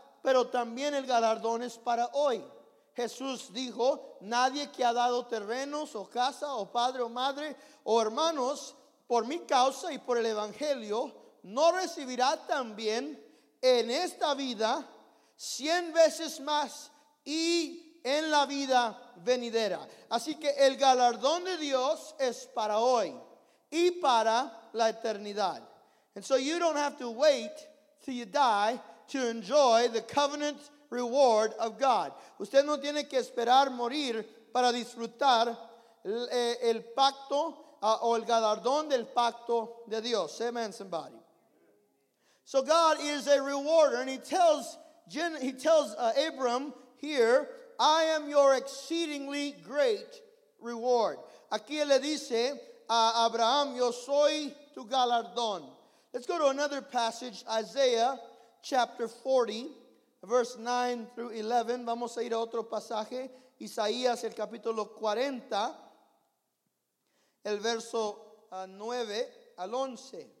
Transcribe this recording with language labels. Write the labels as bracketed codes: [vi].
[es] Pero también el galardón es para hoy. Jesús dijo, nadie que ha dado terrenos o casa o padre o madre o hermanos por mi causa y por el evangelio no recibirá también en esta vida 100 veces más y en la vida venidera. Así que el galardón de Dios es para hoy y para la eternidad. [en] And so you don't have to wait till you die to enjoy the covenant reward of God. [es] Usted no tiene que esperar morir para disfrutar el pacto o el galardón del pacto de Dios. [en] Amen, somebody. So God is a rewarder, and he tells Abram here, I am your exceedingly great reward. [es] Aquí le dice a Abraham, yo soy tu galardón. [en] Let's go to another passage, Isaiah chapter 40. Verse 9 through 11, [es] vamos a ir a otro pasaje, Isaías el capítulo 40, el verso 9 al 11.